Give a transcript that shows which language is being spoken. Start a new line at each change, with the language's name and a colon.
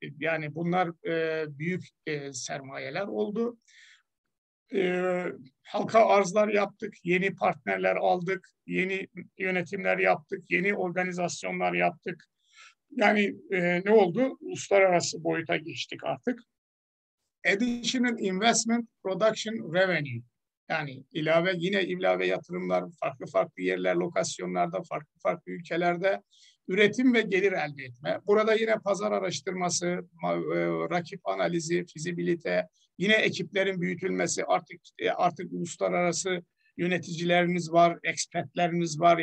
Turkish: Yani bunlar büyük sermayeler oldu. Halka arzlar yaptık, yeni partnerler aldık, yeni yönetimler yaptık, yeni organizasyonlar yaptık. Yani ne oldu? Uluslararası boyuta geçtik artık.
English: Additional investment production revenue.
Turkish: Yani ilave yatırımlar farklı yerler, lokasyonlarda, farklı ülkelerde üretim ve gelir elde etme. Burada yine pazar araştırması, rakip analizi, fizibilite, yine ekiplerin büyütülmesi, artık uluslararası yöneticilerimiz var, expertlerimiz var.